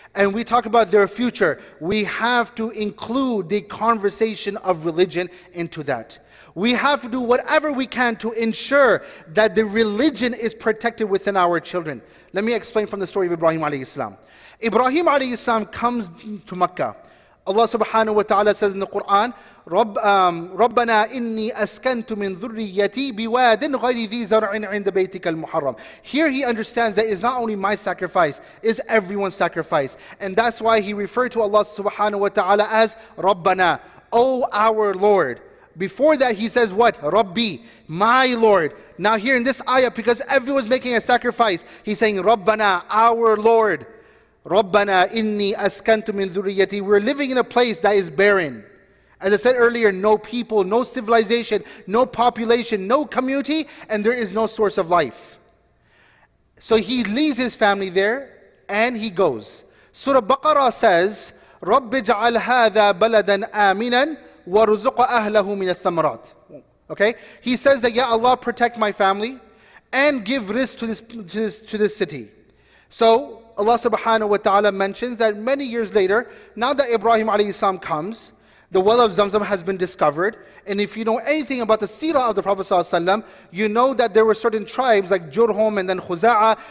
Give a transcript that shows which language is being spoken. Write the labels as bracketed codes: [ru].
[en] and we talk about their future, we have to include the conversation of religion into that. We have to do whatever we can to ensure that the religion is protected within our children. Let me explain from the story of Ibrahim alayhi salam. Ibrahim alayhi salam comes to Mecca. Allah subhanahu wa ta'ala says in the Quran, [ar] رَبَّنَا إِنِّي أَسْكَنْتُ مِنْ ذُرِّيَّتِي بِوَادٍ غَيْرِ ذِي زَرْعٍ عِنْدَ بَيْتِكَ الْمُحَرَّمِ. [en] Here he understands that it's not only my sacrifice, it's everyone's sacrifice. And that's why he referred to Allah subhanahu wa ta'ala as رَبَّنَا, O our Lord. Before that he says what? Rabbi, my Lord. Now here in this ayah, because everyone's making a sacrifice, he's saying رَبَّنَا, our Lord. [ar] رَبَّنَا إِنِّي أَسْكَنْتُ مِنْ ذُرِّيَّتِي. [en] We're living in a place that is barren. As I said earlier, no people, no civilization, no population, no community, and there is no source of life. So he leaves his family there, and he goes. Surah Baqarah says, [ar] رَبِّ جَعَلْ هَذَا بَلَدًا آمِنًا وَرُزُقَ أَهْلَهُ مِنَ الثَّمَرَاتِ. [en] Okay? He says that, Ya Allah, protect my family, and give risk to this city. So Allah subhanahu wa ta'ala mentions that many years later, now that Ibrahim alayhi salam comes, the well of Zamzam has been discovered. And if you know anything about the seerah of the Prophet sallallahu alayhi wa sallam, you know that there were certain tribes like Jurhum and then Khuza'a.